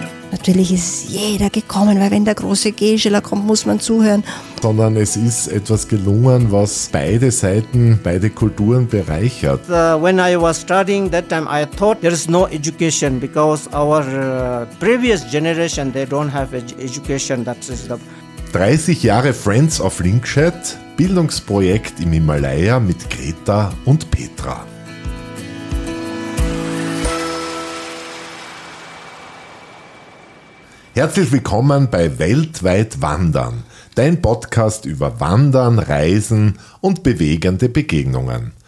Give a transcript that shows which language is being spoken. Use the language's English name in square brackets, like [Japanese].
[German] Natürlich ist jeder gekommen, weil wenn der große Gescheler kommt, muss man zuhören. Sondern es ist etwas gelungen, was beide Seiten, beide Kulturen bereichert. [English] When I was studying that time, I thought there is no education because our previous generation, they don't have education. That is the [German] 30 Jahre Friends of Linkshed, Bildungsprojekt im Himalaya mit Greta und Petra. Herzlich willkommen bei Weltweit Wandern, dein Podcast über Wandern, Reisen und bewegende Begegnungen.